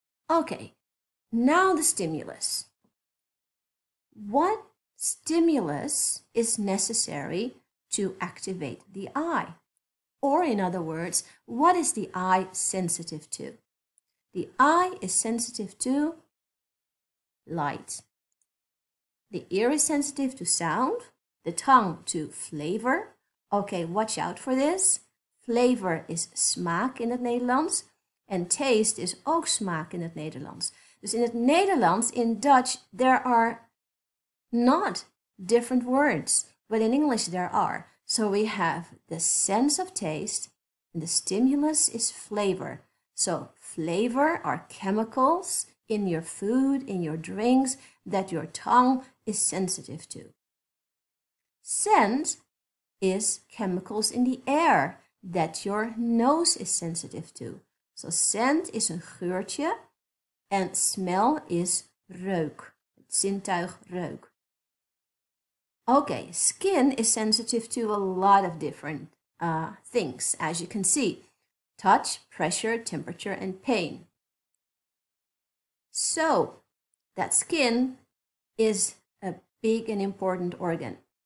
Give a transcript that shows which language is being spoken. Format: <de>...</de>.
<en>Okay, now the stimulus. What stimulus is necessary to activate the eye? Or in other words, what is the eye sensitive to? The eye is sensitive to light. The ear is sensitive to sound. The tongue to flavor. Okay, watch out for this.</en> <nl>Flavor is smaak in het Nederlands.</nl> <en>And taste is</en> <nl>ook smaak in het Nederlands. Dus in het Nederlands,</nl> <en>in Dutch, there are not different words. But in English, there are. So we have the sense of taste. And the stimulus is flavor. So flavor are chemicals in your food, in your drinks, that your tongue is sensitive to. Scent is chemicals in the air that your nose is sensitive to. So scent is</en> <nl>een geurtje</nl> <en>and smell is</en> <nl>reuk, zintuig reuk.</nl> <en>Okay, skin is sensitive to a lot of different things, as you can see. Touch, pressure, temperature, and pain. So, that skin is a big and important organ.</en>